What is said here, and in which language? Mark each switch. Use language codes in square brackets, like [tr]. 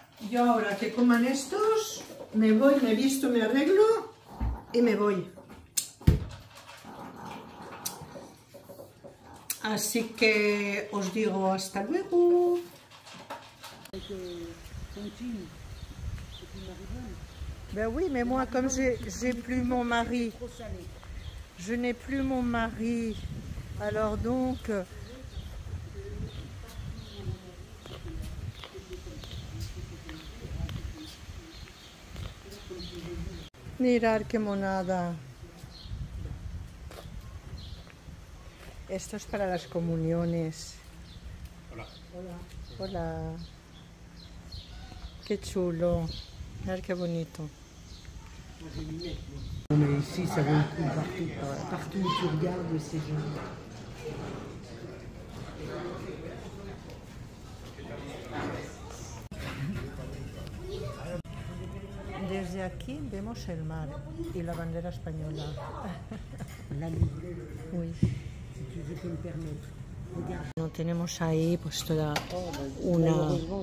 [es] Yo ahora que coman estos, me voy, me visto, me arreglo y me voy. Así que os digo hasta luego. [fr] Ben oui, mais moi comme j'ai plus mon mari, je n'ai plus mon mari, alors donc. [es] Mirar qué monada. Esto es para las comuniones. Hola. Hola. Hola. Qué chulo. Mira qué bonito. [fr] On est ici, ça vaut le coup partout. Partout où tu regardes, c'est joli. [es] Desde aquí vemos el mar y la bandera española. La [fr] oui. Si tu veux que me permettre. [es] No tenemos ahí pues toda una.